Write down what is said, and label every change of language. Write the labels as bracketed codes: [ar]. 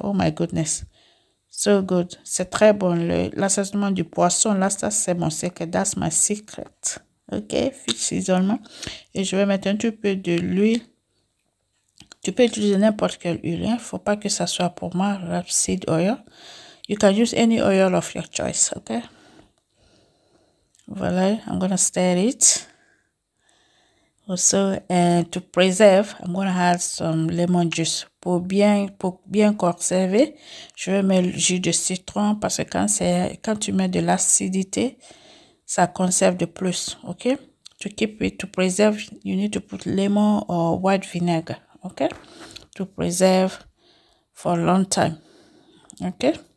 [en] Oh my goodness, so good. [fr] C'est très bon, l'assaisonnement du poisson, là ça c'est mon secret, [en] that's my secret. [fr] Ok, fiche seasonnement. Et je vais mettre un tout peu de l'huile. Tu peux utiliser n'importe quelle huile, hein? Faut pas que ça soit pour moi, rapeseed oil. [en] You can use any oil of your choice, ok. Voilà, I'm gonna stir it. Also, and to preserve, I'm going to add some lemon juice. [fr] Pour bien conserver, je vais mettre le jus de citron parce que quand tu mets de l'acidité, ça conserve de plus, ok? [en] To keep it, to preserve, you need to put lemon or white vinegar, ok? To preserve for a long time, ok?